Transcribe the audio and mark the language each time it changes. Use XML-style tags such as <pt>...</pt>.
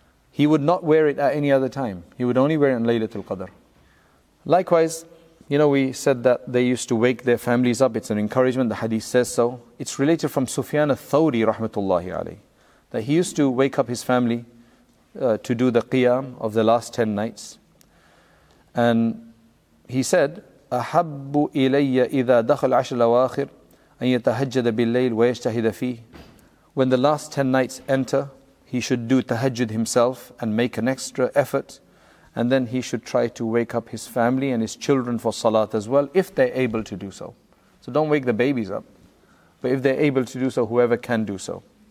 <en>He would not wear it at any other time, he would only wear it on Laylatul Qadr. Likewise, you know we said that they used to wake their families up, it's an encouragement, the hadith says so. It's related from Sufyan al-Thawri, rahmatullahi alayhi, that he used to wake up his family to do the qiyam of the last 10 nights. And he said,</en> <ar>أحب إلي إذا دخل عشر الأواخر أن يتهجد بالليل ويجتهد فيه.</ar> <en>When the last 10 nights enter, he should do tahajjud himself and make an extra effort. And then he should try to wake up his family and his children for salat as well, if they're able to do so. So don't wake the babies up. But if they're able to do so, whoever can do so.</en>